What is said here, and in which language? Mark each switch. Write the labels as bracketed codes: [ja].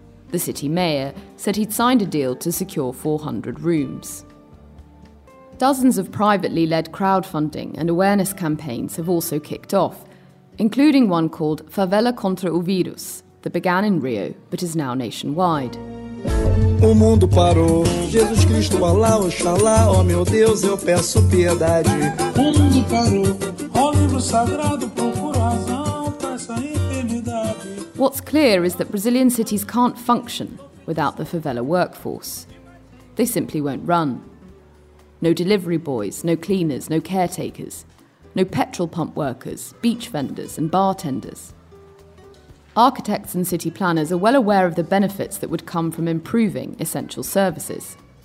[en] The city mayor said he'd signed a deal to secure 400 rooms. Dozens of privately led crowdfunding and awareness campaigns have also kicked off, including one called Favela Contra o Virus, that began in Rio but is now nationwide. [pt] O mundo parou. Jesus Cristo, Alá, Oxalá, ó meu Deus, eu peço piedade. O mundo parou. Ó livro sagrado, procura razão pra essa enfermidade. [en] What's clear is that Brazilian cities can't function without the favela workforce. They simply won't run. No delivery boys, no cleaners, no caretakers. No petrol pump workers, beach vendors and bartenders. Architects and city planners are well aware of the benefits that would come from improving essential services.